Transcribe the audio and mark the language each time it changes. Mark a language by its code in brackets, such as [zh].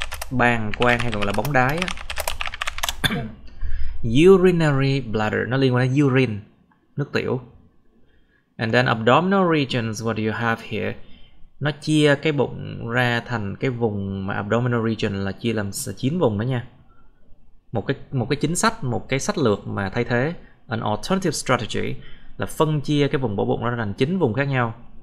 [vi] Bàng quang hay còn gọi là bóng đái á. Urinary bladder, nó liên quan đến urine, nước tiểu. [en] And then abdominal regions, what do you have here? [vi] Nó chia cái bụng ra thành cái vùng mà abdominal region là chia làm 9 vùng đó nha. Một cái chính sách, một cái sách lược mà thay thế, [en] an alternative strategy, [vi] là phân chia cái vùng bổ bụng nó thành 9 vùng khác nhau.